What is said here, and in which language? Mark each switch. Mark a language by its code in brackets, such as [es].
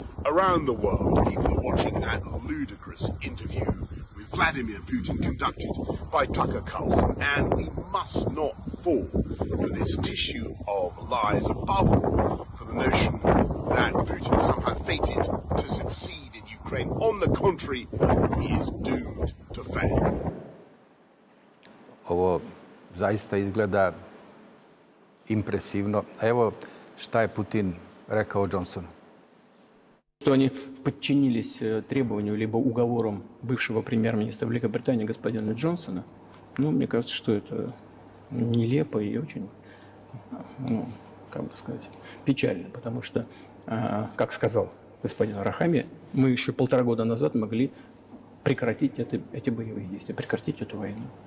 [en] Around the world, people are watching that ludicrous interview with Vladimir Putin conducted by Tucker Carlson, and we must not fall for this tissue of lies, above all, for the notion that Putin is somehow fated to succeed in Ukraine. On the contrary, he is doomed to fail. [sr] Ovo zaista izgleda impresivno. Evo šta je Putin rekao Johnsonu. [ru] Что они подчинились требованию либо уговорам бывшего премьер-министра Великобритании господина Джонсона, ну, мне кажется, что это нелепо и очень, ну, как бы сказать, печально, потому что, как сказал господин Рахами, мы еще полтора года назад могли прекратить эти боевые действия, прекратить эту войну.